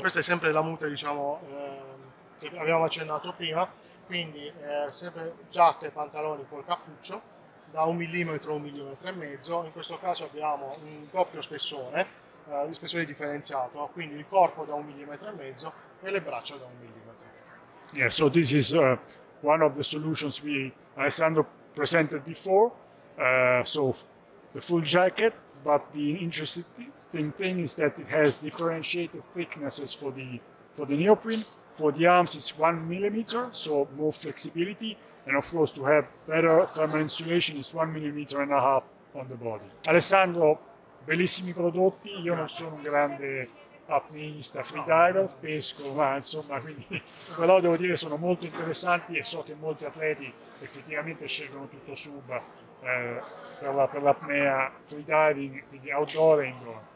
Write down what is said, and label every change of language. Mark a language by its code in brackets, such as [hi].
[it] Questa è sempre la muta, diciamo, che abbiamo accennato prima, quindi sempre giacca e pantaloni col cappuccio da un millimetro a un millimetro e mezzo. In questo caso abbiamo un doppio spessore, di spessore differenziato, quindi il corpo da un millimetro e mezzo e le braccia da un millimetro. [en] Yeah, so this is one of the solutions we Alessandro presented before. So the full jacket, but the interesting thing is that it has differentiated thicknesses for the neoprene. For the arms, it's 1 millimeter, so more flexibility, and of course to have better thermal insulation is 1.5 millimeters on the body. [it] Alessandro, bellissimi prodotti. Io non sono un grande apneista, freediver, pesco, ma insomma, quindi però devo dire sono molto interessanti, e so che molti atleti effettivamente scelgono TuttoSub per l'apnea freediving, quindi outdoor e indoor.